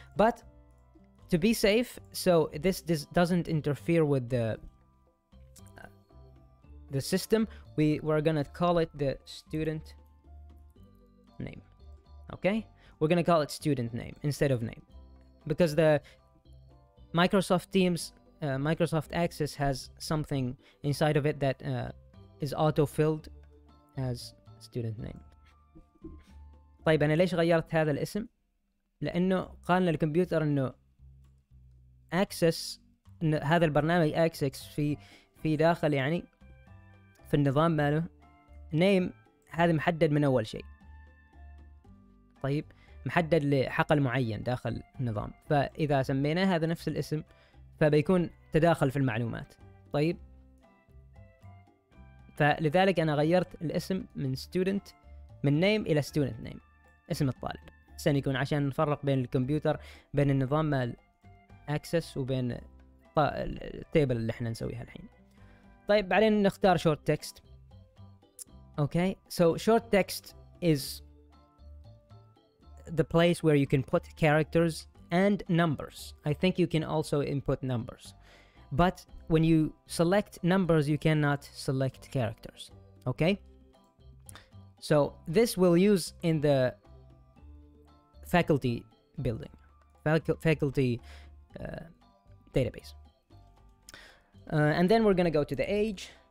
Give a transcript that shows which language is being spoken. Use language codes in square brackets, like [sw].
[en] But to be safe, so this doesn't interfere with the system, we're gonna call it the student name. Okay, we're gonna call it student name instead of name because the Microsoft Teams Microsoft Access has something inside of it that is auto filled as student name. [ar] طيب انا ليش غيرت هذا الاسم؟ لانه قالنا الكمبيوتر انه access إن هذا البرنامج access في داخل يعني في النظام ماله name هذا محدد من اول شيء. طيب محدد لحقل معين داخل النظام، فإذا سمينا هذا نفس الاسم فبيكون تداخل في المعلومات. طيب فلذلك أنا غيرت الاسم من student من name إلى student name اسم الطالب سن يكون عشان نفرق بين الكمبيوتر بين النظام access وبين table اللي احنا نسويها الحين. طيب بعدين نختار short text. [en] Okay, so short text is the place where you can put characters and numbers. I think you can also input numbers, but when you select numbers you cannot select characters. Okay, so this we'll use in the faculty building, faculty database, and then we're gonna go to the age.